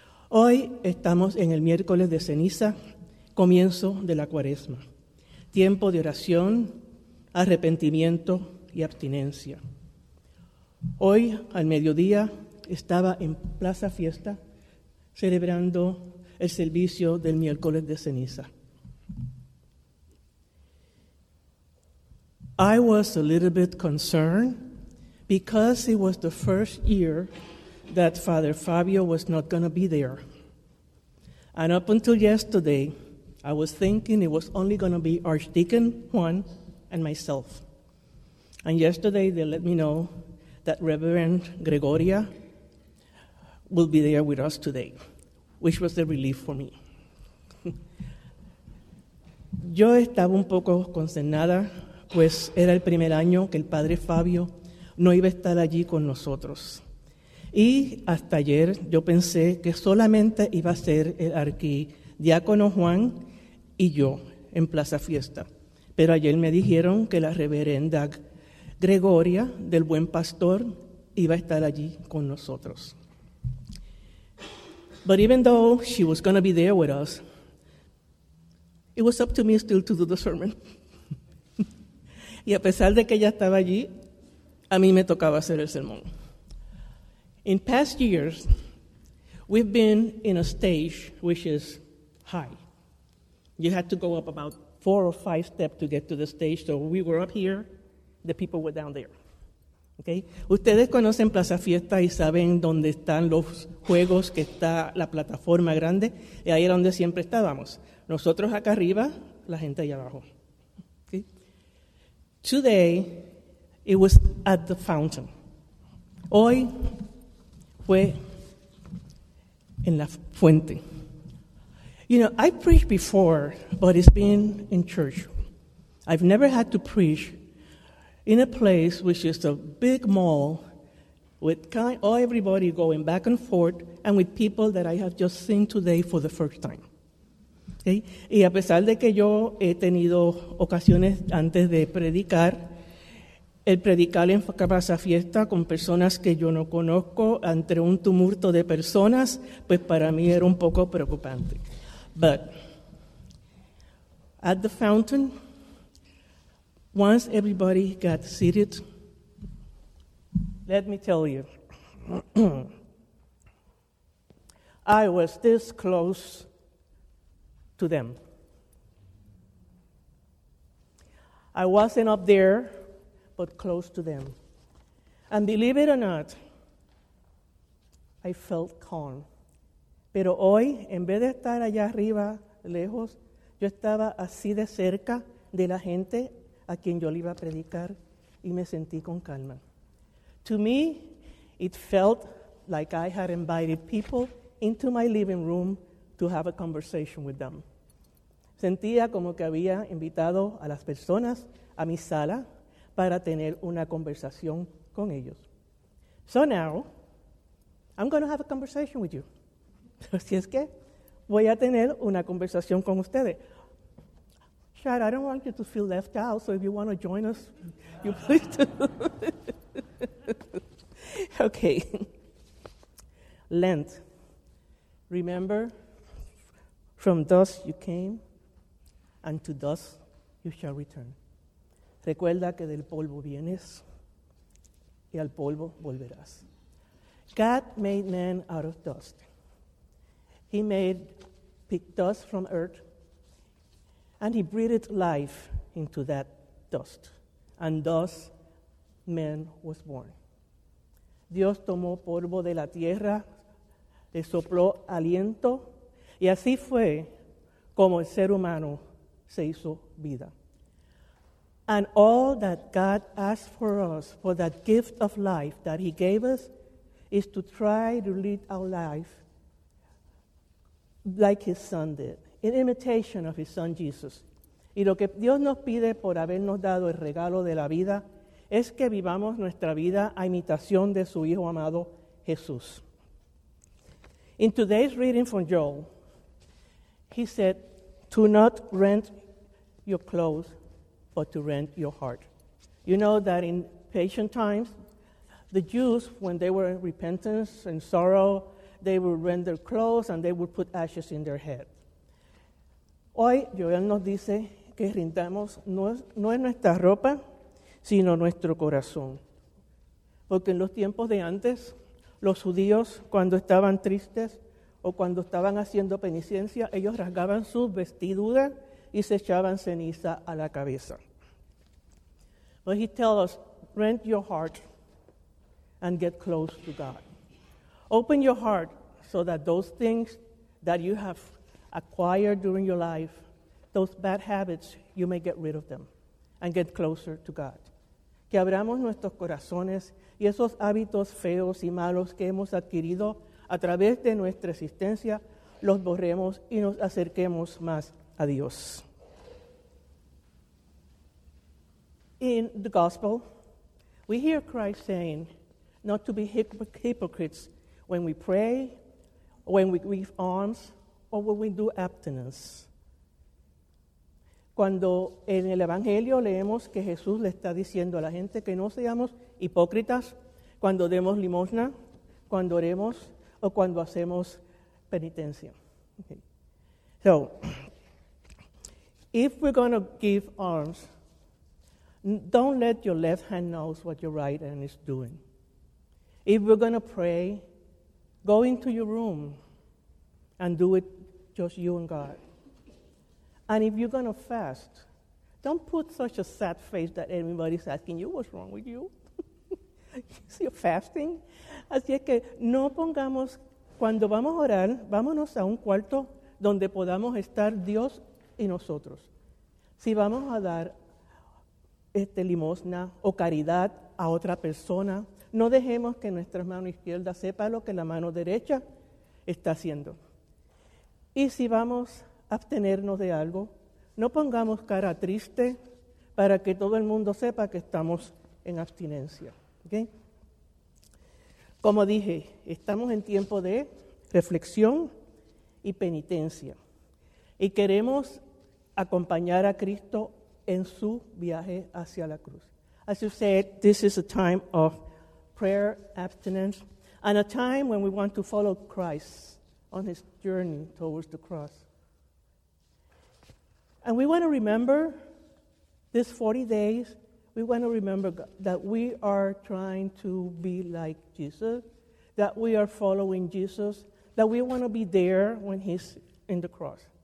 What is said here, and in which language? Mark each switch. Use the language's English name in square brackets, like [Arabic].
[Spanish] Hoy estamos en el miércoles de ceniza, comienzo de la cuaresma, tiempo de oración, arrepentimiento y abstinencia. Hoy, al mediodía, estaba en Plaza Fiesta celebrando el servicio del miércoles de ceniza. [English] I was a little bit concerned because it was the first year that Father Fabio was not going to be there. And up until yesterday, I was thinking it was only going to be Archdeacon Juan and myself. And yesterday they let me know that Reverend Gregoria will be there with us today, which was a relief for me. [Spanish] Yo estaba un poco consternada, pues era el primer año que el Padre Fabio no iba a estar allí con nosotros. Y hasta ayer yo pensé que solamente iba a ser el arquidiácono Juan y yo en Plaza Fiesta. Pero ayer me dijeron que la reverenda Gregoria del Buen Pastor iba a estar allí con nosotros. [English] But even though she was going to be there with us, it was up to me still to do the sermon. [Spanish] Y a pesar de que ella estaba allí, a mí me tocaba hacer el sermón. [English] In past years, we've been in a stage which is high. You had to go up about 4 or 5 steps to get to the stage, so we were up here, the people were down there. Okay? [Spanish] Ustedes conocen Plaza Fiesta y saben dónde están los juegos, que está la plataforma grande, y ahí era donde siempre estábamos. Nosotros acá arriba, la gente allá abajo. Okay? [English] Today, it was at the fountain. [Spanish] Hoy fue en la fuente. [English] You know, I preached before, but it's been in church. I've never had to preach in a place which is a big mall with everybody going back and forth and with people that I have just seen today for the first time. Okay? [Spanish] Y a pesar de que yo he tenido ocasiones antes de predicar, el predicar en Plaza Fiesta con personas que yo no conozco entre un tumulto de personas, pues para mí era un poco preocupante. [English] But at the fountain, once everybody got seated, let me tell you, I was this close to them. I wasn't up there, but close to them. And believe it or not, I felt calm. [Spanish] Pero hoy, en vez de estar allá arriba, lejos, yo estaba así de cerca de la gente a quien yo le iba a predicar y me sentí con calma. [English] To me, it felt like I had invited people into my living room to have a conversation with them. [Spanish] Sentía como que había invitado a las personas a mi sala para tener una conversación con ellos. [English] So now, I'm going to have a conversation with you. [Spanish] Así es que voy a tener una conversación con ustedes. [English] Chad, I don't want you to feel left out, so if you want to join us, you please do. Okay. Lent. Remember, from dust you came, and to dust you shall return. [Spanish] Recuerda que del polvo vienes y al polvo volverás. [English] God made man out of dust. He made, picked dust from earth, and he breathed life into that dust. And thus, man was born. [Spanish] Dios tomó polvo de la tierra, le sopló aliento, y así fue como el ser humano se hizo vida. [English] And all that God asked for us, for that gift of life that he gave us, is to try to lead our life like his son did, in imitation of his son Jesus. [Spanish] Y lo que Dios nos pide por habernos dado el regalo de la vida es que vivamos nuestra vida a imitación de su hijo amado Jesús. [English] In today's reading from Joel, he said, "To not rent your clothes, but to rent your heart." You know that in ancient times, the Jews, when they were in repentance and sorrow, they would rent their clothes and they would put ashes in their head. [Spanish] Hoy, Joel nos dice que rindamos no es nuestra ropa, sino nuestro corazón. Porque en los tiempos de antes, los judíos, cuando estaban tristes o cuando estaban haciendo penitencia, ellos rasgaban sus vestiduras y se echaban ceniza a la cabeza. [English] But he tells us, rent your heart and get close to God. Open your heart so that those things that you have acquired during your life, those bad habits, you may get rid of them and get closer to God. [Spanish] Que abramos nuestros corazones y esos hábitos feos y malos que hemos adquirido a través de nuestra existencia, los borremos y nos acerquemos más a Dios. [English] In the gospel, we hear Christ saying not to be hypocrites when we pray, when we give alms, or when we do abstinence. [Spanish] Cuando en el Evangelio leemos que Jesús le está diciendo a la gente que no seamos hipócritas cuando demos limosna, cuando oremos, o cuando hacemos penitencia. [English] Okay. So, if we're going to give alms, don't let your left hand know what your right hand is doing. If we're going to pray, go into your room and do it just you and God. And if you're going to fast, don't put such a sad face that everybody's asking you, what's wrong with you? You're fasting? [Spanish] Así es que no pongamos, cuando vamos a orar, vámonos a un cuarto donde podamos estar Dios y nosotros. Si vamos a dar limosna o caridad a otra persona, no dejemos que nuestra mano izquierda sepa lo que la mano derecha está haciendo. Y si vamos a abstenernos de algo, no pongamos cara triste para que todo el mundo sepa que estamos en abstinencia. ¿Okay? Como dije, estamos en tiempo de reflexión y penitencia. Y queremos acompañar a Cristo en su viaje hacia la cruz. [English] As you said, this is a time of prayer, abstinence, and a time when we want to follow Christ on his journey towards the cross. And we want to remember this 40 days, we want to remember that we are trying to be like Jesus, that we are following Jesus, that we want to be there when he's in the cross.